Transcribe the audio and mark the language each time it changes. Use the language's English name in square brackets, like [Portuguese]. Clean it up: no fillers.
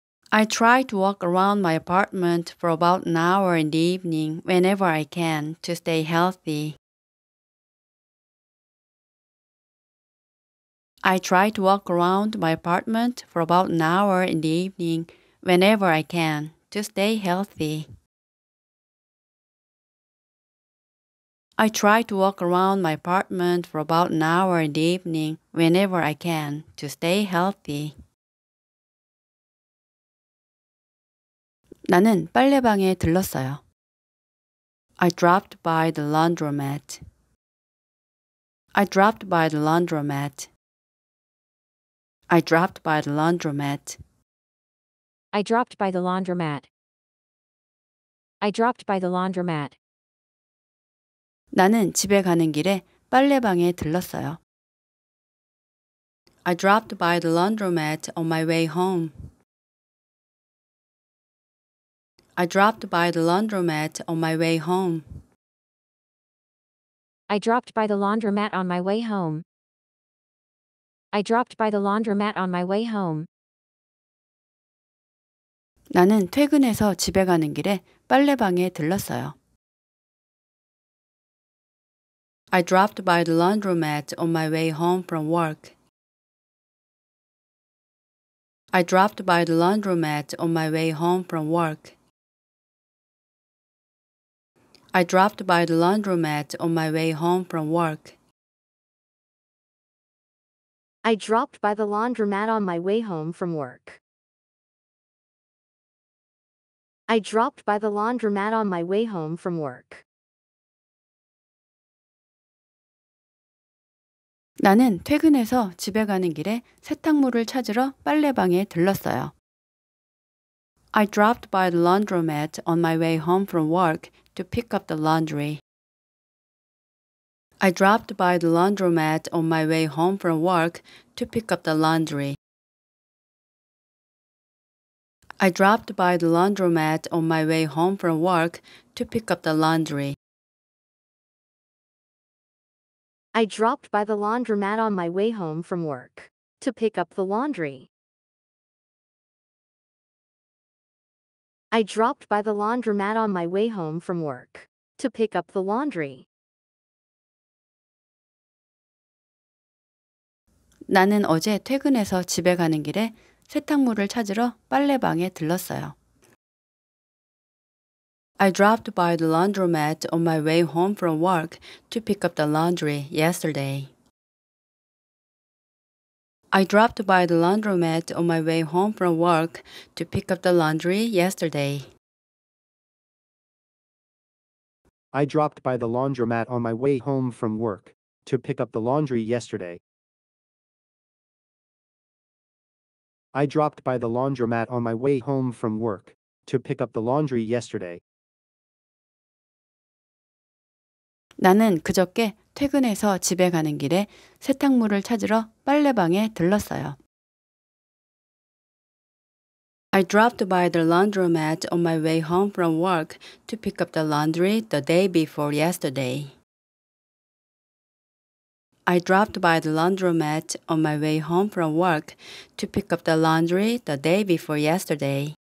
[English] I try to walk around my apartment for about an hour in the evening whenever I can to stay healthy. I try to walk around my apartment for about an hour in the evening whenever I can to stay healthy. I try to walk around my apartment for about an hour in the evening whenever I can to stay healthy. [Korean] 나는 빨래방에 들렀어요. [English] I dropped by the laundromat. I dropped by the laundromat. I dropped by the laundromat. I dropped by the laundromat. I dropped by the laundromat. [Korean] 나는 집에 가는 길에 빨래방에 들렀어요. [English] I dropped by the laundromat on my way home. I dropped by the laundromat on my way home. I dropped by the laundromat on my way home. I dropped by the laundromat on my way home. [Korean] 나는 퇴근해서 집에 가는 길에 빨래방에 들렀어요. [English] I dropped by the laundromat on my way home from work. I dropped by the laundromat on my way home from work. I dropped by the laundromat on my way home from work. I dropped by the laundromat on my way home from work. I dropped by the laundromat on my way home from work. [Korean] 나는 퇴근해서 집에 가는 길에 세탁물을 찾으러 빨래방에 들렀어요. [English] I dropped by the laundromat on my way home from work to pick up the laundry. I dropped by the laundromat on my way home from work to pick up the laundry. I dropped by the laundromat on my way home from work to pick up the laundry. I dropped by the laundromat on my way home from work to pick up the laundry. I dropped by the laundromat on my way home from work to pick up the laundry. [Korean] 나는 어제 퇴근해서 집에 가는 길에 세탁물을 찾으러 빨래방에 들렀어요. [English] I dropped by the laundromat on my way home from work to pick up the laundry yesterday. I dropped by the laundromat on my way home from work to pick up the laundry yesterday. I dropped by the laundromat on my way home from work to pick up the laundry yesterday. I dropped by the laundromat on my way home from work to pick up the laundry yesterday. [Korean] 나는 그저께 퇴근해서 집에 가는 길에 세탁물을 찾으러 빨래방에 들렀어요. [English] I dropped by the laundromat on my way home from work to pick up the laundry the day before yesterday. I dropped by the laundromat on my way home from work to pick up the laundry the day before yesterday.